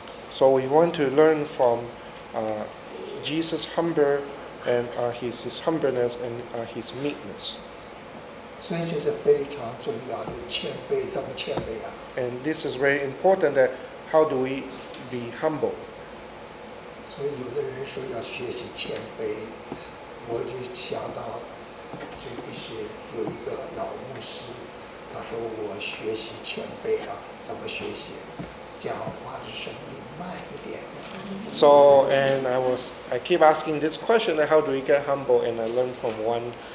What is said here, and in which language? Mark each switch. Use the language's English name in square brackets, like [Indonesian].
[English] So we want to learn from Jesus' humble and his humbleness and his meekness. [Chinese] 所以就是非常重要的谦卑，怎么谦卑啊？ [English] And this is very important that how do we be humble? [Chinese] 所以有的人说要学习谦卑，我就想到这必须有一个老牧师，他说我学习谦卑啊，怎么学习？讲话的声音慢一点。 [English] So and I keep asking this question that how do we get humble? And I learned from one.